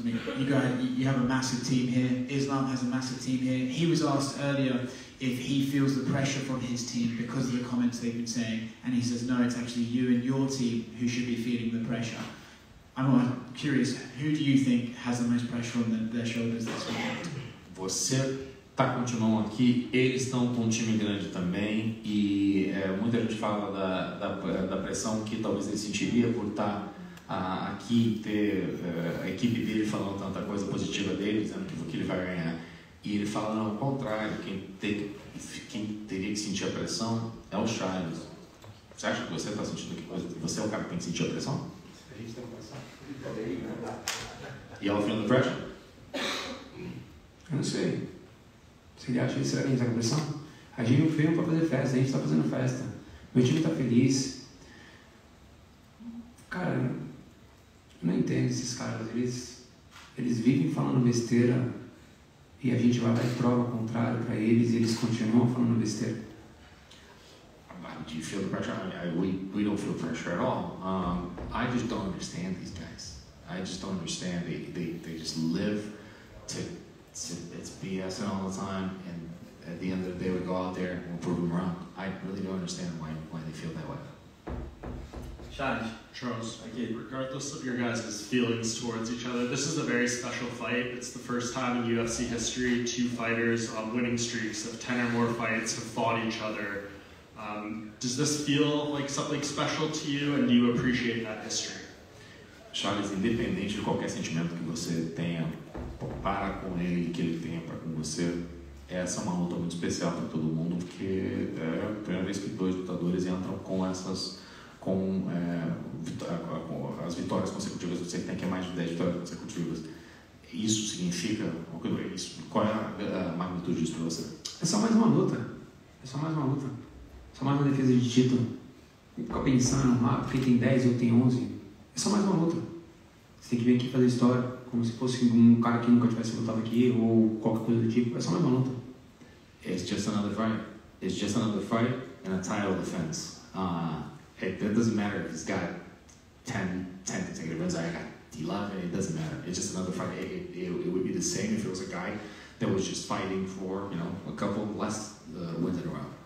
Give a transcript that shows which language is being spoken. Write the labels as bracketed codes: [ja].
[en] I mean, you have a massive team here. Islam has a massive team here. He was asked earlier if he feels the pressure from his team because of the comments they've been saying. And he says, no, it's actually you and your team who should be feeling the pressure. I'm curious, who do you think has the most pressure on their shoulders this week? [pt] Você tá continuando aqui, eles estão com um time grande também, e muita gente fala da pressão que talvez ele sentiria por estar aqui, ter a equipe dele falando tanta coisa positiva dele, dizendo que ele vai ganhar. E ele fala, não, ao contrário, quem teria que sentir a pressão é o Charles. Você acha que você está sentindo que você é o cara que tem que sentir a pressão? [en] Y'all feeling the pressure? [pt] Eu não sei. Se ele acha que será que a gente está com pressão? A gente não veio para fazer festa, a gente está fazendo festa. Meu time está feliz. Cara, eu não entendo esses caras. Eles vivem falando besteira e a gente vai lá e prova o contrário para eles e eles continuam falando besteira. [en] Do you feel the pressure? I mean, we don't feel pressure at all. I just don't understand these guys. I just don't understand. They just live to it's BSing all the time, and at the end of the day, we go out there and we'll prove them wrong. I really don't understand why they feel that way. Charles, again, regardless of your guys' feelings towards each other, this is a very special fight. It's the first time in UFC history two fighters on winning streaks of 10 or more fights have fought each other. Does this feel like something special to you, and do you appreciate that history? [pt] Charles, independente de qualquer sentimento que você tenha para com ele e que ele tenha para com você, essa é uma luta muito especial para todo mundo, porque é a primeira vez que dois lutadores entram com as vitórias consecutivas. Você tem que ter mais de 10 vitórias consecutivas. Isso significa o que é isso? Qual é a magnitude disso para você? É só mais uma luta. É só mais uma luta. Só mais uma defesa de título. Ficar pensando, porque tem 10 e eu tenho 11. É só mais uma luta. Você tem que vir aqui fazer história, como se fosse um cara que nunca tivesse lutado aqui, ou qualquer coisa do tipo. É só mais uma luta. [en] It's just another fight. It's just another fight and a title defense. It doesn't matter if he's got 10 consecutive wins, I got 11, it doesn't matter. It's just another fight. It would be the same if it was a guy that was just fighting for, you know, a couple less wins in a row.